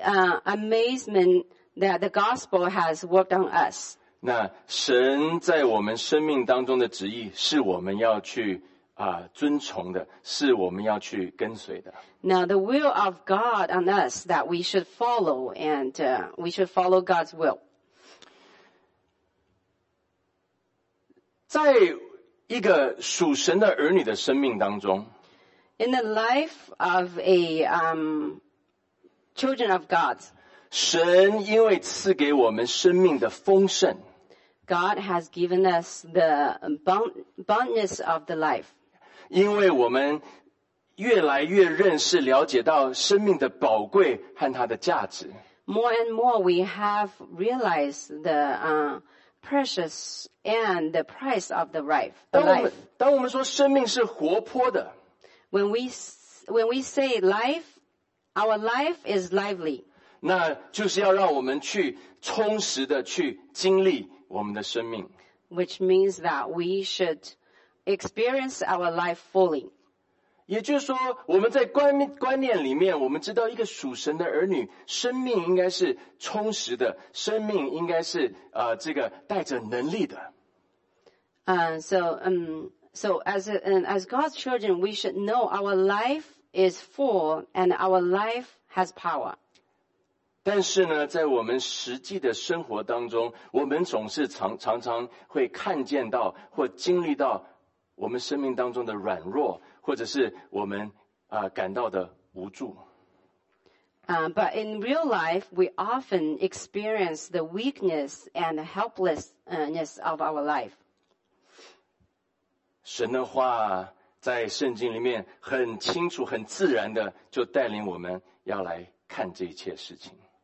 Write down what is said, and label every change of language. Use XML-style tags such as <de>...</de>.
<en>We should all see the great amazement that the gospel has worked on us.</en> <zh>那神在我们生命当中的旨意是我们要去遵从的，是我们要去跟随的。</zh> <en>Now the will of God on us that we should follow, and we should follow God's will.</en> <zh>在一个属神的儿女的生命当中，</zh> <en>In the life of a children of God,</en> <zh>神因为赐给我们生命的丰盛，</zh> <en>God has given us the abundance of the life.</en> <zh>因为我们越来越认识了解到生命的宝贵和它的价值，</zh> <en>More and more we have realized the precious and the price of the life.</en> <zh>当我们说生命是活泼的，</zh> <en>when we say life, our life is lively.</en> <zh>那就是要让我们去充实的去经历我们的生命，</zh> <en>which means that we should experience our life fully.</en> <zh>也就是说我们在观念里面，我们知道一个属神的儿女生命应该是充实的，生命应该是这个带着能力的。</zh> <en>So as God's children, we should know our life is full and our life has power.</en> <zh>但是呢，在我们实际的生活当中，我们总是常常会看见到或经历到我们生命当中的软弱，或者是我们感到的无助。</zh> <en>But in real life, we often experience the weakness and helplessness of our life.</en> <zh>神的话在圣经里面很清楚，很自然的就带领我们要来看这一切事情。</zh>